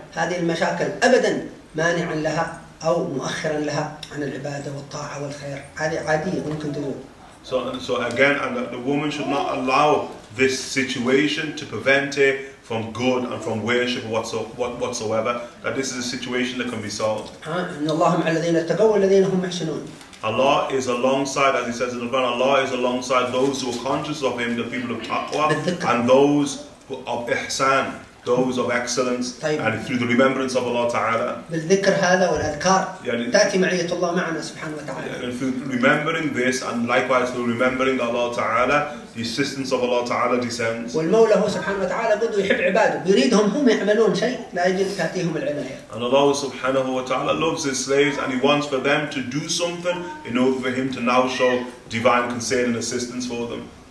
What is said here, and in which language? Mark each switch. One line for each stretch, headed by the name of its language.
Arabic: أو مؤخرا لها عن العبادة والطاعة والخير هذه عادية ممكن تقول.
English: So again, and the woman should not allow this situation to prevent her from good and from worship whatsoever. That this is a situation that can be solved.
Arabic: إن الله مع الذين اتقوا والذين هم محسنون.
English: Allah is alongside, as he says in the Quran, Allah is alongside those who are conscious of Him, the people of taqwa, and those of ihsan. Those of excellence, طيب. And through the remembrance of Allah Ta'ala.
Arabic: بالذكر هذا والأذكار تأتي معية الله معنا سبحانه وتعالى.
English: And through remembering this, and likewise through remembering Allah Ta'ala, the assistance of Allah Ta'ala descends.
Arabic: والمولى هو سبحانه وتعالى بده يحب عباده، بيريدهم هم يعملون شيء لا يجد تأتيهم العناية.
English: And Allah Subhanahu wa Ta'ala loves His slaves, and He wants for them to do something in order for Him to now show divine concern and assistance for them.